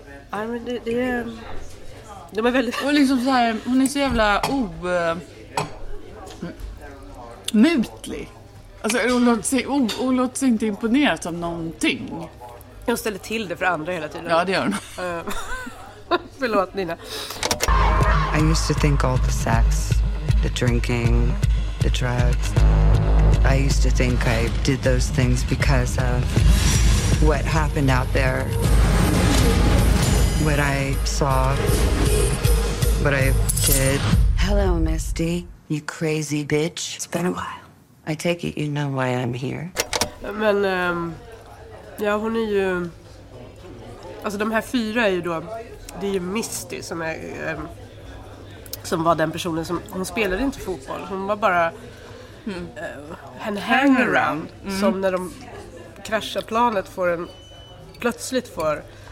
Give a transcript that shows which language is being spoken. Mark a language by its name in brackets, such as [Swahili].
[Swedish] ja men det är... De är väldigt... Och liksom så här, hon är så jävla mutlig. Alltså, hon låter sig inte imponeras av någonting. Hon ställer till det för andra hela tiden. Ja, det gör hon. Förlåt, Nina. [English] I used to think all the sex, the drinking, the drugs. I used to think I did those things because of what happened out there. What I saw, what I did. Hello, Misty. You crazy bitch. It's been a while. I take it you know why I'm here. [Swedish] Men, ja, hon är ju... Alltså, de här fyra är ju då... Det är ju Misty som är... som var den personen som... Hon spelade inte fotboll. Hon var bara... en hangaround. Som när de kraschar planet får en... Plötsligt får...